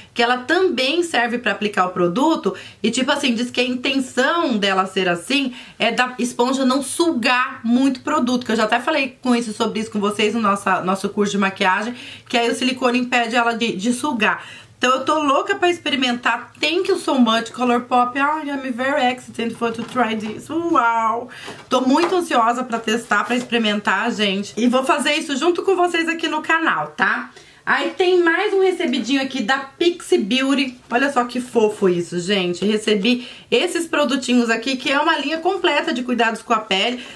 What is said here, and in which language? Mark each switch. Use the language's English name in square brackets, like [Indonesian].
[Portuguese] Que ela também serve pra aplicar o produto. E tipo assim, diz que a intenção dela ser assim é da esponja não sugar muito produto. Que eu já até falei com isso, sobre isso com vocês no nosso curso de maquiagem. Que aí o silicone impede ela de sugar. Então eu tô louca pra experimentar. [English] Thank you so much, Colourpop. Ai, I'm very excited for to try this. Uau! [Portuguese] Tô muito ansiosa pra testar, pra experimentar, gente. E vou fazer isso junto com vocês aqui no canal, tá? Aí tem mais um recebidinho aqui da Pixi Beauty. Olha só que fofo isso, gente. Recebi esses produtinhos aqui, que é uma linha completa de cuidados com a pele.